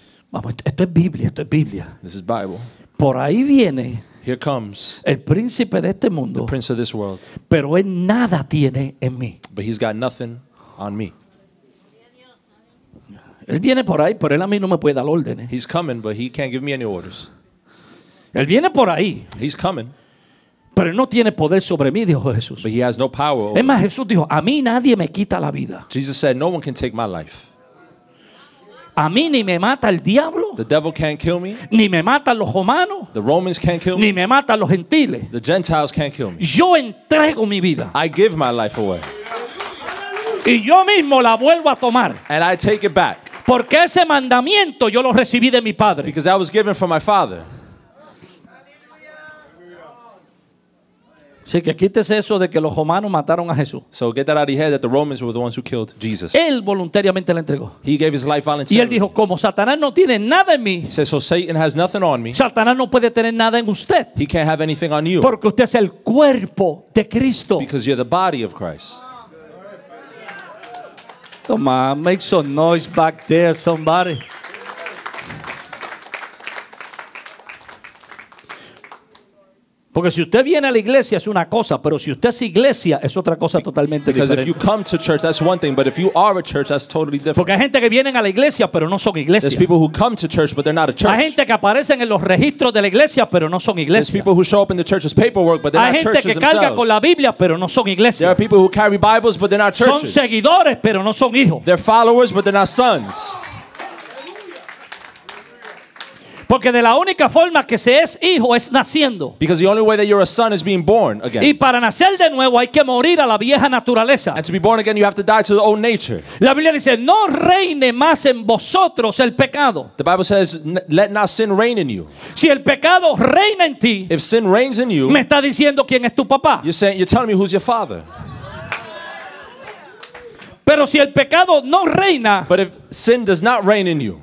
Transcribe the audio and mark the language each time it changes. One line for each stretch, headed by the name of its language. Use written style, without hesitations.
Spanish: vamos, esto es Biblia, esto es Biblia.
English: This is Bible.
Spanish: Por ahí viene.
English: Here comes
Spanish: el príncipe de este mundo,
English: the prince of this world.
Spanish: Pero él nada tiene en mí.
English: But he's got nothing on me.
Spanish: Él viene por ahí, pero él a mí no me puede dar órdenes.
English: He's coming, but he can't give me any orders.
Spanish: Él viene por ahí.
English: He's coming.
Spanish: Pero él no tiene poder sobre mí, dijo Jesús.
English: But he has no power.
Spanish: Es más, Jesús dijo, a mí nadie me quita la vida.
English: Jesus said, no one can take my life.
Spanish: A mí ni me mata el diablo.
English: The devil can't kill me.
Spanish: Ni me matan los romanos.
English: The Romans can't kill me.
Spanish: Ni me matan los gentiles.
English: The Gentiles can't kill me.
Spanish: Yo entrego mi vida.
English: I give my life away.
Spanish: Y yo mismo la vuelvo a tomar.
English: And I take it back.
Spanish: Porque ese mandamiento yo lo recibí de mi padre.
English: Because that was given from my father.
Spanish: Así que quítese eso de que los romanos mataron a Jesús.
English: So get that out of your head that the Romans were the ones who killed Jesus.
Spanish: Él voluntariamente le entregó.
English: He gave his life voluntarily.
Spanish: Y él dijo, como Satanás no tiene nada en mí.
English: He says, so Satan has nothing on me.
Spanish: Satanás no puede tener nada en usted.
English: He can't have anything on you.
Spanish: Porque usted es el cuerpo de Cristo.
English: Because you're the body of Christ. Come on, make some noise back there, somebody.
Spanish: Porque si usted viene a la iglesia es una cosa, pero si usted es iglesia es otra cosa totalmente
English: because
Spanish: diferente.
English: Because if you come to church, that's one thing, but if you are a church, that's totally different.
Spanish: Porque hay gente que vienen a la iglesia pero no son iglesia.
English: There's people who come to church but they're not a church.
Spanish: Hay gente que aparecen en los registros de la iglesia pero no son iglesia.
English: There's people who show up in the church's paperwork but they're
Spanish: hay
English: not churches themselves.
Spanish: Hay gente que carga con la Biblia pero no son iglesia.
English: There are people who carry Bibles but they're not churches.
Spanish: Son seguidores pero no son hijos.
English: They're followers but they're not sons.
Spanish: Porque de la única forma que se es hijo es naciendo.
English: Because the only way that you're a son is being born again.
Spanish: Y para nacer de nuevo hay que morir a la vieja naturaleza.
English: And to be born again you have to die to the old nature.
Spanish: La Biblia dice, no reine más en vosotros el pecado.
English: The Bible says, let not sin reign in you.
Spanish: Si el pecado reina en ti,
English: if sin reigns in you,
Spanish: me está diciendo quién es tu papá.
English: You're telling me who's your father.
Spanish: Pero si el pecado no reina,
English: but if sin does not reign in you,